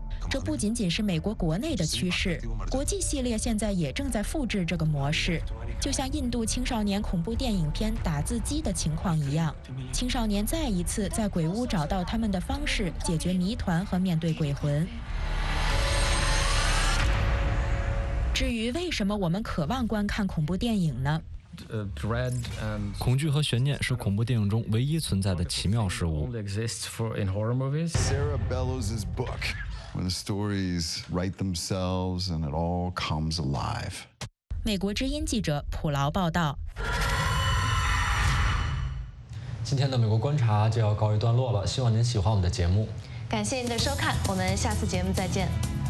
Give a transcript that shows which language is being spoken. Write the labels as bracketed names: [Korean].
[Chinese] 这不仅仅是美国国内的趋势，国际系列现在也正在复制这个模式，就像印度青少年恐怖电影片《打字机》的情况一样，青少年再一次在鬼屋找到他们的方式解决谜团和面对鬼魂。至于为什么我们渴望观看恐怖电影呢？恐惧和悬念是恐怖电影中唯一存在的奇妙事物。 [English] Sarah Bellows's book. When the stories write themselves and it all comes alive. [Chinese] 美国之音记者普劳报道。今天的美国观察就要告一段落了，希望您喜欢我们的节目。感谢您的收看，我们下次节目再见。